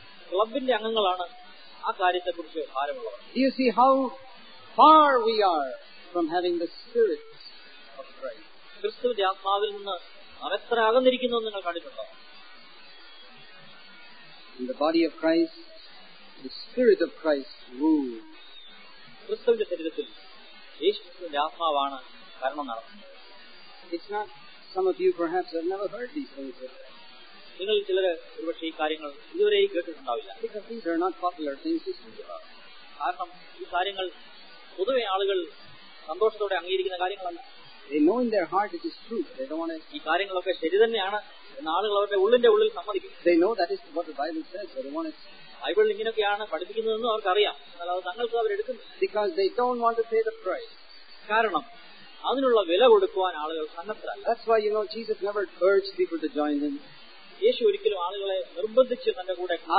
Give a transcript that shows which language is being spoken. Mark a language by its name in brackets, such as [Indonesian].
[Malayalam] ക്ലബിന്റെ അംഗങ്ങളാണ് ആ കാര്യത്തെ കുറിച്ച് ഭാരമുള്ളത്. [English] Do you see how far we are from having the spirit of Christ? [Malayalam] ക്രിസ്തുവിന്റെ ആത്മാവിൽ നിന്ന് അവസ്ഥ അകന്നിരിക്കുന്നു നിങ്ങൾ കണ്ടിട്ടുണ്ടോ? [English] In the body of Christ, the spirit of Christ rules. [Malayalam] ക്രിസ്തുവിന്റെ ശരീരത്തിൽ യേശുവിന്റെ ആത്മാവാണ് ഭരണം നടത്തുന്നത്. [English] It's not some of you perhaps have never heard these things before. [Malayalam] നിങ്ങൾ ചിലർ ഒരുപക്ഷെ ഈ കാര്യങ്ങൾ ഇതുവരെ കേട്ടിട്ടുണ്ടാവില്ല. [English] Because these are not popular things to speak about. [Malayalam] കാരണം ഈ കാര്യങ്ങൾ പൊതുവെ ആളുകൾ സന്തോഷത്തോടെ അംഗീകരിക്കുന്ന കാര്യങ്ങളല്ല. [English] They know in their heart it is true. They don't want to. [Malayalam] ഈ കാര്യങ്ങളൊക്കെ ശരി തന്നെയാണ് എന്ന് ആളുകൾ അവരുടെ ഉള്ളിന്റെ ഉള്ളിൽ സമ്മതിക്കും. [English] They know that is what the Bible says. They don't want to. [Malayalam] Bible ഇങ്ങനെയൊക്കെയാണ് പഠിപ്പിക്കുന്നതെന്ന് അവർക്കറിയാം. എന്നാൽ അത് തങ്ങൾക്ക് അവരെടുക്കും. [English] Because they don't want to pay the price. [Malayalam] കാരണം അതിനുള്ള വില കൊടുക്കുവാൻ ആളുകൾ സന്നദ്ധരല്ല. [English] That's why you know Jesus never urged people to join him. [Malayalam] യേശു ഒരിക്കലും ആളുകളെ നിർബന്ധിച്ച് തന്റെ കൂടെ